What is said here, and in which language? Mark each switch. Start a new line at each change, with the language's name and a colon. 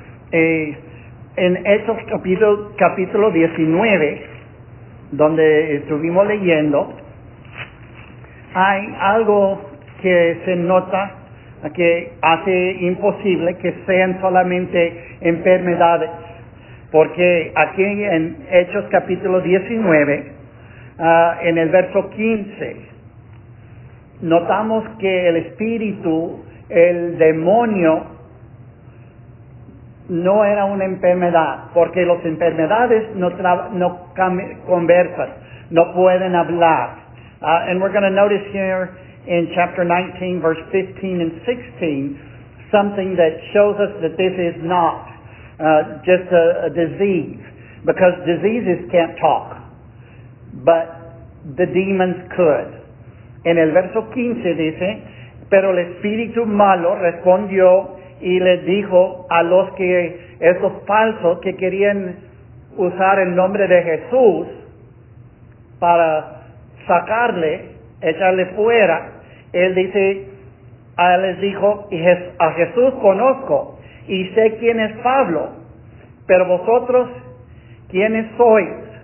Spanish: En Hechos capítulo 19, donde estuvimos leyendo, hay algo que se nota que hace imposible que sean solamente enfermedades, porque aquí en Hechos capítulo 19, en el verso 15, notamos que el espíritu, el demonio, no era una enfermedad, porque las enfermedades no conversan, no pueden hablar.
English: And we're going to notice here in chapter 19, verse 15 and 16, something that shows us that this is not just a disease, because diseases can't talk, but the demons could.
Spanish: En el verso 15 dice, pero el espíritu malo respondió y le dijo a los que esos falsos que querían usar el nombre de Jesús para sacarle, echarle fuera, él dice, a él les dijo, a Jesús conozco y sé quién es Pablo, pero vosotros, ¿quiénes sois?